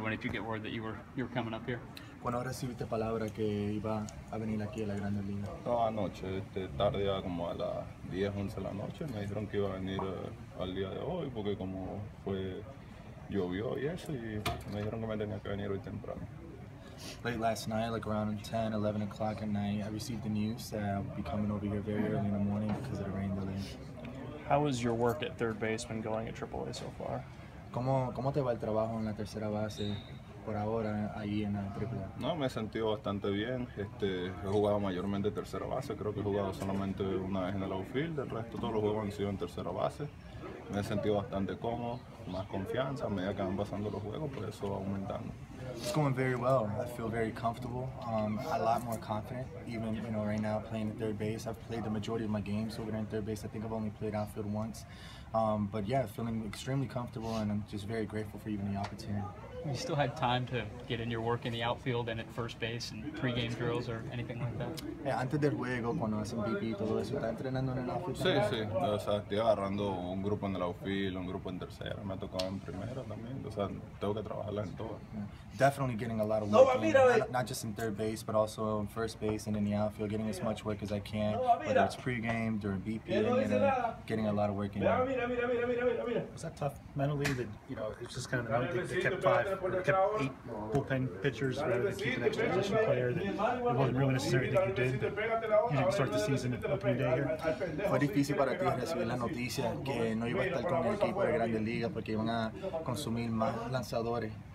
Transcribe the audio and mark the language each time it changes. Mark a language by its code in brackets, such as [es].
[en] When did you get word that you were coming up here? [es] ¿Cuándo recibiste palabra que iba a venir aquí a la Grande Liga? No, anoche, tarde, ya como a las 10, 11 de la noche, me dijeron que iba a venir al día de hoy, porque como fue, llovió y eso, y me dijeron que me tenía que venir hoy temprano. [en] Late last night, like around 10, 11 o'clock at night, I received the news that I'll be coming over here very early in the morning because of the rain delay. How has your work at third base been going at AAA so far? [es] ¿Cómo te va el trabajo en la tercera base por ahora ahí en la AAA? No, me he sentido bastante bien. He jugado mayormente tercera base. Creo que he jugado solamente una vez en el outfield. El resto, todos los juegos han sido en tercera base. Me he sentido bastante cómodo, más confianza a medida que van pasando los juegos, por eso va aumentando. [en] It's going very well. I feel very comfortable. A lot more confident. Even, you know, right now playing at third base. I've played the majority of my games over there in third base. I think I've only played outfield once. But yeah, feeling extremely comfortable, and I'm just very grateful for even the opportunity. You still had time to get in your work in the outfield and at first base and pregame drills or anything like that? [es] Yeah, antes del juego, cuando hacen BP, todo eso, está entrenando en el outfield. Sí, sí. O sea, estoy agarrando un grupo en el outfield, un grupo en tercera. Me ha tocado en primera también. O sea, tengo que trabajarla en todo. [en] Definitely getting a lot of work, not just in third base, but also in first base and in the outfield, getting as much work as I can, whether it's pregame, during BP, and getting a lot of work in. Was that tough mentally? That, you know, it's just kind of the thing, they kept eight bullpen pitchers rather than keep an extra position player, that it wasn't really necessary that you did, that you didn't start the season opening day here? [es] Fue difícil para ti recibir la noticia que no iba a estar con el equipo de Grandes Ligas porque iban a consumir más lanzadores.